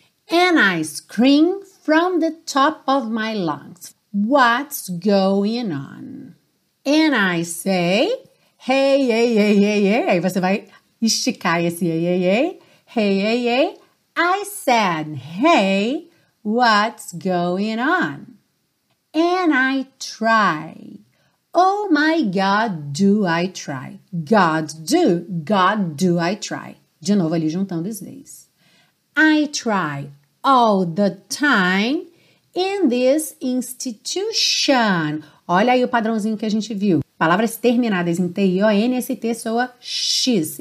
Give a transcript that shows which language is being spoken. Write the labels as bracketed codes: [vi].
[en] And I scream from the top of my lungs. What's going on? And I say, hey, hey, hey, hey, hey. [pt] Aí você vai esticar esse hey, hey, hey. [en] Hey, hey, hey. I said, hey, what's going on? And I try. Oh my God, do I try. God, do I try. [pt] De novo ali juntando os D's. [en] I try all the time in this institution. [pt] Olha aí o padrãozinho que a gente viu. Palavras terminadas em T-I-O-N-S-T soa X.